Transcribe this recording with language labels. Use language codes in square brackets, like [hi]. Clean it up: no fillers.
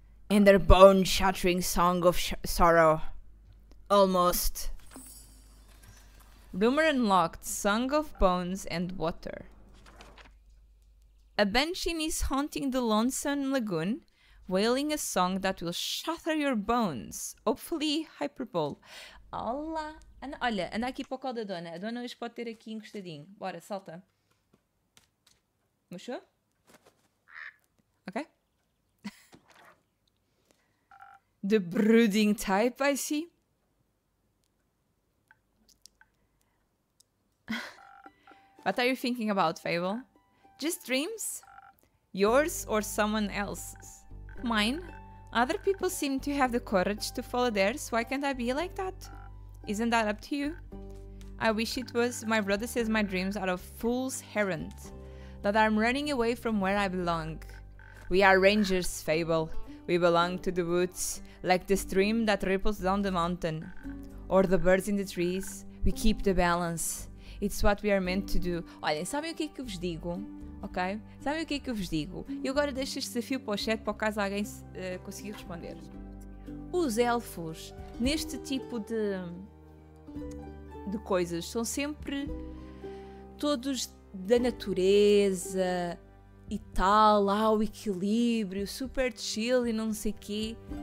[en] And their bone-shattering song of sorrow. Almost. Rumor unlocked, song of bones and water. A banshee is haunting the lonesome lagoon, wailing a song that will shatter your bones. Hopefully, hyperbole. [pt] Olá! Olha, anda aqui para o colo da dona. A dona hoje pode ter aqui encostadinho. Bora, salta. Mochou? Ok. [en] The brooding type, I see. What are you thinking about, Fable? Just dreams? Yours or someone else's? Mine? Other people seem to have the courage to follow theirs. Why can't I be like that? Isn't that up to you? I wish it was. My brother says my dreams are a fool's errand. That I'm running away from where I belong. We are rangers, Fable. We belong to the woods. Like the stream that ripples down the mountain. Or the birds in the trees. We keep the balance. It's what we are meant to do. [pt] Olhem, sabem o que é que eu vos digo? Ok? Sabem o que é que eu vos digo? E agora deixo este desafio para o chat, para o caso alguém conseguir responder. Os elfos, neste tipo de coisas, são sempre todos da natureza e tal, lá o equilíbrio, super chill e não sei o quê.